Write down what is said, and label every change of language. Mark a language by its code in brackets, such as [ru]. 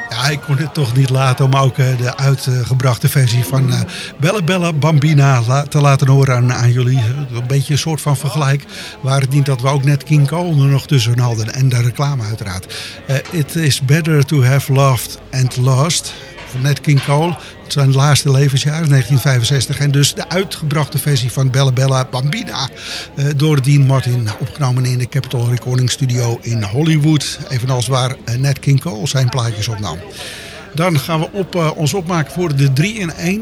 [nl] Ik kon het toch niet laten om ook de uitgebrachte versie van Bella Bella Bambina te laten horen aan jullie. Een beetje een soort van vergelijk. Waar het niet dat we ook net King Cole er nog tussen hadden. En de reclame uiteraard. [en] It is better to have loved and lost. [nl] Van net King Cole. Het zijn laatste levensjaar, 1965. En dus de uitgebrachte versie van Bella Bella Bambina. Door Dean Martin, opgenomen in de Capitol Recording Studio in Hollywood. Evenals waar Nat King Cole zijn plaatjes opnam. Dan gaan we ons opmaken voor de 3-in-1.